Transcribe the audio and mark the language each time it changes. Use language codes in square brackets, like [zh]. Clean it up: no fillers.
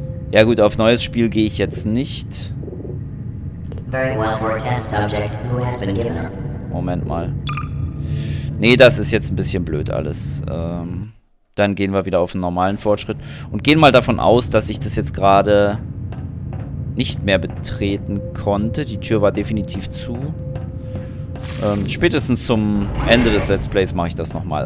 [de] Ja gut, auf neues Spiel gehe ich jetzt nicht. [en] Very well for a test subject who has been given. [de] Moment mal. Nee, das ist jetzt ein bisschen blöd alles. Dann gehen wir wieder auf einen normalen Fortschritt und gehen mal davon aus, dass ich das jetzt gerade nicht mehr betreten konnte. Die Tür war definitiv zu. Spätestens zum Ende des Let's Plays mache ich das nochmal.